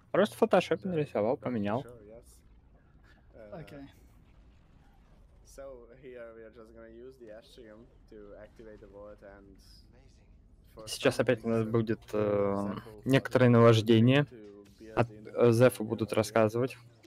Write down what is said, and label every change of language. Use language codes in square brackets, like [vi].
[ru] Просто фотошоп нарисовал, поменял. [en] Okay. So here we are just gonna use the Astrium to activate the wallet and. [ru] Сейчас опять у нас будет некоторое наваждение. От Зефа будут рассказывать.